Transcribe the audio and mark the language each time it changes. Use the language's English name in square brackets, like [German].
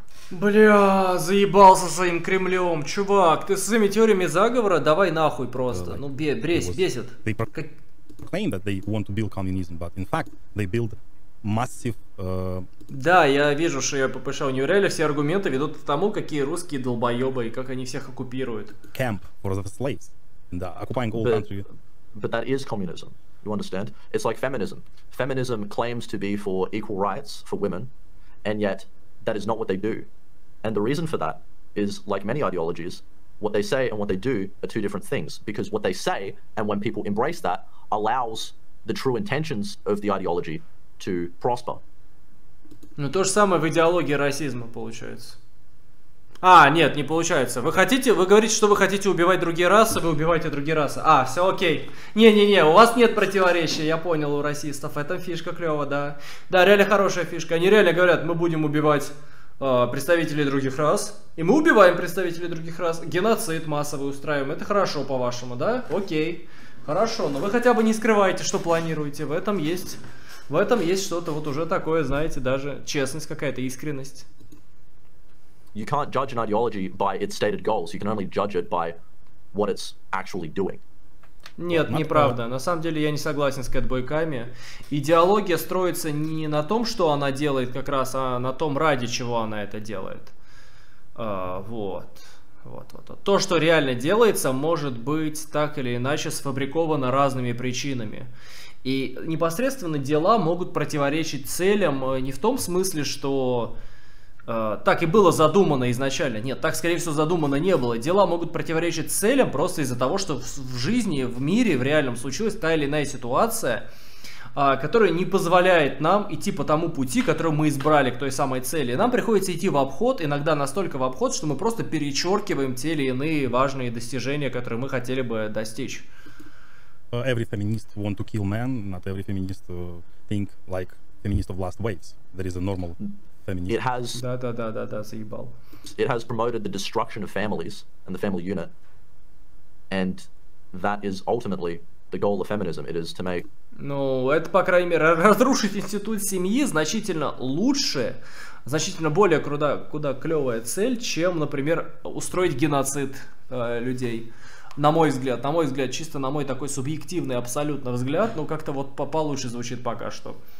[Russian] Бля, заебался своим Кремлем, чувак, ты со своими теориями заговора давай нахуй просто, ну бесит. [English] They claim that they want to build communism, but in fact they build massive... [Russian] Да, я вижу, что я попышал, не уверяли, все аргументы ведут к тому, какие русские долбоебы и как они всех оккупируют. [English] Camp for the slaves, да, occupying all country. But that is communism, you understand? It's like feminism. Feminism claims to be for equal rights for women, and yet that is not what they do. And the reason for that is, like many ideologies, what they say and what they do are two different things, because what they say, and when people embrace that, allows the true intentions of the ideology to prosper. [Russian] Ну то же самое в идеологии расизма получается. А, нет, не получается. Вы хотите, вы говорите, что вы хотите убивать другие расы, вы убиваете другие расы. А, все окей. Не-не-не, у вас нет противоречия, я понял, у расистов. Это фишка клёва, да. Да, реально хорошая фишка. Они реально говорят, мы будем убивать представителей других рас. И мы убиваем представителей других рас. Геноцид массовый устраиваем. Это хорошо, по-вашему, да? Окей. Хорошо, но вы хотя бы не скрываете, что планируете. В этом есть что-то вот уже такое, знаете, даже честность какая-то, искренность. [English] You can't judge an ideology by its stated goals. You can only judge it by what it's actually doing. [Russian] Нет, неправда. На самом деле я не согласен с кэтбойками. Идеология строится не на том, что она делает как раз, а на том, ради чего она это делает. Вот. Вот. То, что реально делается, может быть так или иначе сфабриковано разными причинами. И непосредственно дела могут противоречить целям не в том смысле, что... так и было задумано изначально. Нет, так, скорее всего, задумано не было. Дела могут противоречить целям просто из-за того, что в жизни, в мире, в реальном случилась та или иная ситуация, которая не позволяет нам идти по тому пути, который мы избрали, к той самой цели. Нам приходится идти в обход, иногда настолько в обход, что мы просто перечеркиваем те или иные важные достижения, которые мы хотели бы достичь. [English] Every feminist want to kill men, not every feminist think like feminist of last waves. There is a normal... It has, [Russian] да, заебал. [English] It has promoted the destruction of families and the family unit, and that is ultimately the goal of feminism. It is to make. [Russian] Ну, это по крайней мере разрушить институт семьи значительно лучше, значительно более куда клевая цель, чем, например, устроить геноцид людей. На мой взгляд, чисто на мой такой субъективный абсолютно взгляд, но как-то вот получше звучит пока что.